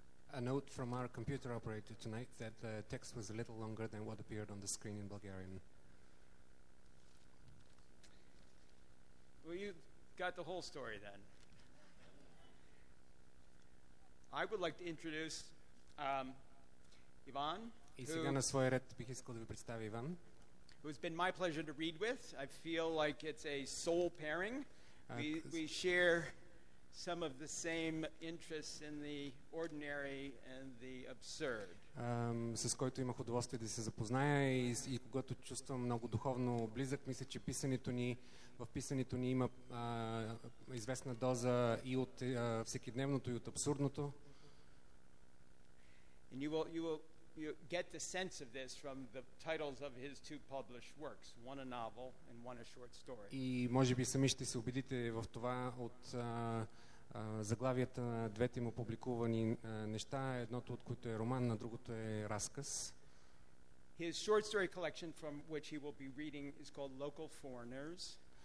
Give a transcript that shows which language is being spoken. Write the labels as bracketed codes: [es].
[en] A note from our computer operator tonight that the text was a little longer than what appeared on the screen in Bulgarian. Well, you got the whole story then. I would like to introduce Ivan. [bg] И сега на своя ред бих искал да ви представя Иван. [en] Who's been my pleasure to read with. I feel like it's a soul pairing. We share some of the same interests in the ordinary and the absurd. [bg] С който имах удоволствие да се запозная и когато чувствам много духовно близък, мисля, че в писането ни има известна доза и от всекидневното, и от абсурдното. [en] And you get the sense of this from the titles of his two published works, one a novel and one a short story. [bg] И може би сами ще се убедите в това от заглавията на двете му публикувани неща, едното от които е роман, на другото е разказ. [en] His short story collection from which he will be reading is called Local Foreigners.